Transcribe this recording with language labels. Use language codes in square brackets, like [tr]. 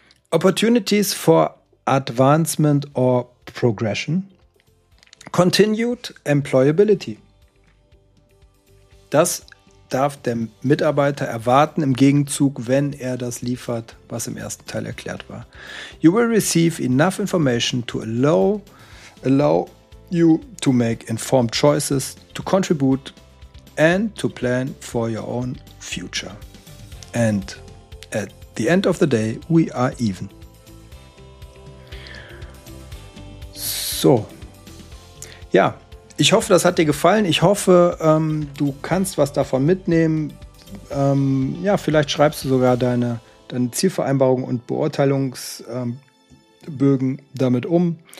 [en] Opportunities for advancement or progression. Continued employability. [de] Das darf der Mitarbeiter erwarten im Gegenzug, wenn er das liefert, was im ersten Teil erklärt war? [en] You will receive enough information to allow you to make informed choices, to contribute and to plan for your own future. And at the end of the day, we are even. [de] So, ja, ich hoffe, das hat dir gefallen. Ich hoffe, du kannst was davon mitnehmen. Ja, vielleicht schreibst du sogar deine Zielvereinbarung und Beurteilungsbögen damit um.